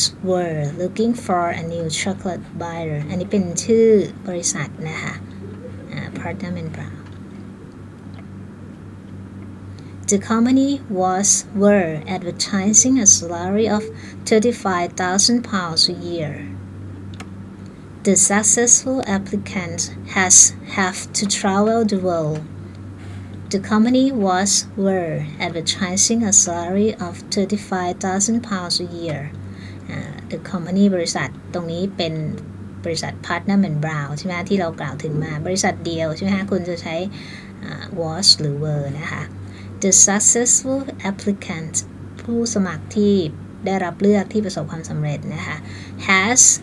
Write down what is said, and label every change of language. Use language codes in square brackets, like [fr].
[en] were looking for a new chocolate buyer [th] อันนี้เป็นชื่อบริษัทนะคะ [en] Putnam and Brown the company were advertising a salary of £35,000 a yearThe successful applicant has have to travel the world. The company were advertising a salary of £35,000 a year. [th] The company บริษัทตรงนี้เป็นบริษัท Putnam and Brown ใช่ไหมที่เรากล่าวถึงมาบริษัทเดียวใช่ไหมคุณจะใช้was หรือ were นะคะ [en] The successful applicant [th] ผู้สมัครที่ได้รับเลือกที่ประสบความสำเร็จนะคะ has